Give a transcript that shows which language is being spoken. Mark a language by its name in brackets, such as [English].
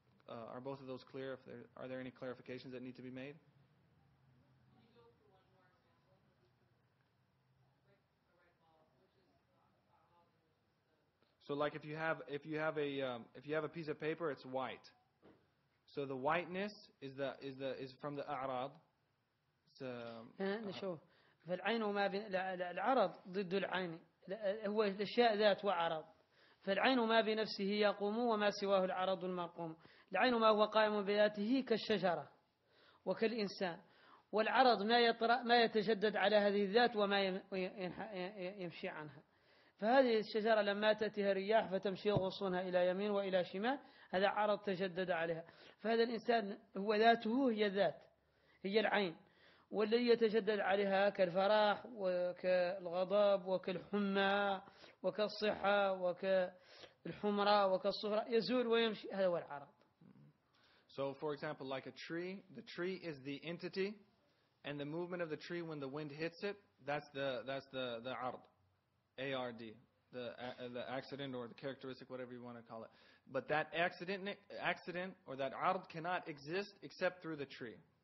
[English] are both of those clear? Are there any clarifications that need to be made? So, like, if you have a piece of paper, it's white. So the whiteness is from the أعراض. [Arabic] نشوف فالعين وما بين العرض ضد العين هو الأشياء ذات وعرض. فالعين ما بنفسه يقوم وما سواه العرض المقوم. العين ما هو قائم بذاته كالشجرة وكالإنسان. والعرض ما يطرأ ما يتجدد على هذه الذات وما يمشي عنها. فهذه الشجرة لما تأتيها الرياح فتمشي غصونها إلى يمين وإلى شمال، هذا عرض تجدد عليها. فهذا الإنسان هو ذاته، هي الذات، هي العين. والذي يتجدد عليها كالفرح وكالغضب وكالحمى وكالصحة وكالحمرة وكالصفرة يزول ويمشي، هذا هو العرض. [English] So for example, like a tree, the tree is the entity, and the movement of the tree when the wind hits it, that's the ard, A-R-D, the accident or the characteristic, whatever you want to call it. But that accident or that ard cannot exist except through the tree.